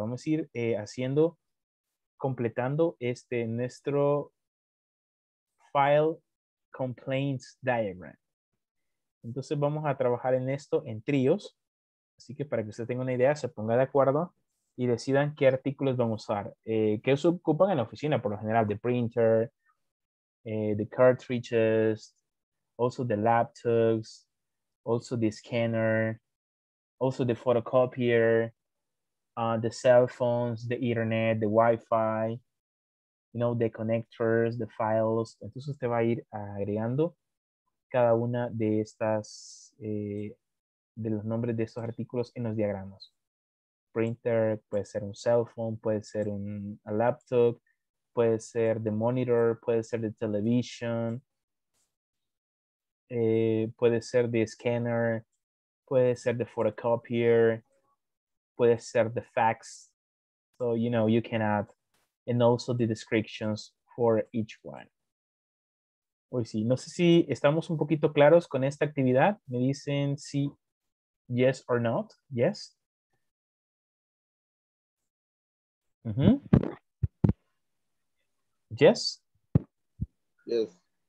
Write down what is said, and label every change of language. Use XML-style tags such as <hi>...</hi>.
<es>Vamos a ir haciendo, completando este nuestro file complaints diagram. Entonces, vamos a trabajar en esto en tríos. Así que para que usted tenga una idea, se ponga de acuerdo y decidan qué artículos vamos a usar. ¿Qué se ocupan en la oficina? Por lo general,</es> <en>the printer, the cartridges, also the laptops, also the scanner, also the photocopier, the cell phones, the internet, the wifi, you know, the connectors, the files.</en> <es>Entonces usted va a ir agregando cada una de estas, de los nombres de estos artículos en los diagramas. Printer, puede ser un cell phone, puede ser un a laptop, puede ser the monitor, puede ser the television, puede ser the scanner, puede ser the photocopier, puede ser the fax.</es> <en>So, you know, you can add, and also the descriptions for each one.</en> <es>Hoy sí, no sé si estamos un poquito claros con esta actividad. Me dicen si,</es> <en>yes or not, yes. Mm-hmm. Yes? Yes.</en>